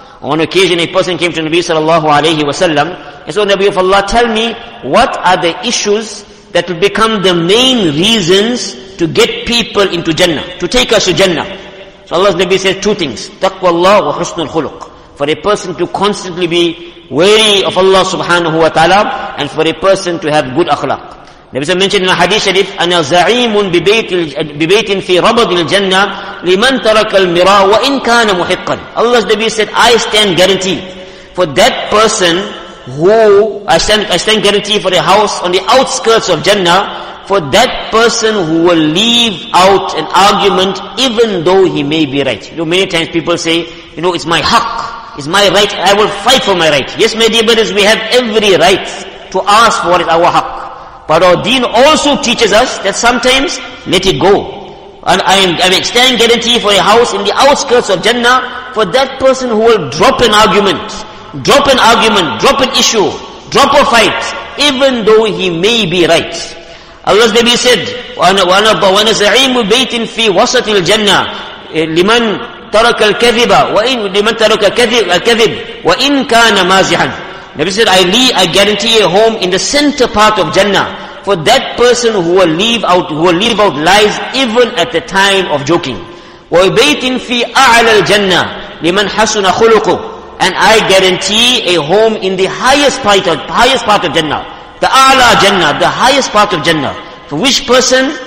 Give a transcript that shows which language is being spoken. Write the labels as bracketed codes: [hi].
[en] On occasion, a person came to Nabi sallallahu alayhi wa sallam and said, Nabi of Allah, tell me, what are the issues that will become the main reasons to get people into Jannah, to take us to Jannah? So Allah's Nabi said two things, [ar] taqwa Allah wa husnul khuluq. [en] For a person to constantly be wary of Allah subhanahu wa ta'ala, and for a person to have good akhlaq. Nabi said, mentioned in a hadith sharif, [ar] أَنَا زَعِيمٌ بِبَيْتٍ فِي رَبَضِ الْجَنَّةِ لِمَنْ تَرَكَ الْمِرَى وَإِنْ كَانَ مُحِقًّا. [en] Allah's Nabi said, I stand guarantee for that person who, I stand guarantee for a house on the outskirts of Jannah, for that person who will leave out an argument even though he may be right. You know, many times people say, you know, it's my haqq, it's my right, I will fight for my right. Yes, my dear brothers, we have every right to ask for what is our haqq. But our deen also teaches us that sometimes, let it go. and I'm extending guarantee for a house in the outskirts of Jannah, for that person who will drop an argument, drop an issue, drop a fight, even though he may be right. Allah's Nabi said, [ar] وَأَنَا زَعِيمُ بَيْتٍ فِي وَسَطِ الْجَنَّةِ لِمَنْ تَرَكَ الْكَذِبَ وَإِنْ لِمَنْ تَرَكَ الْكَذِبَ وَإِنْ كَانَ مَازِحًا. [en] Nabi said, I guarantee a home in the center part of Jannah for that person who will leave out lies even at the time of joking. [ar] وَبَيْتٍ فِي أَعْلَى الْجَنَّةِ لِمَنْ حَسُنَ خُلُقُ. [en] And I guarantee a home in the highest part of Jannah, the A'la Jannah, the highest part of Jannah. For which person?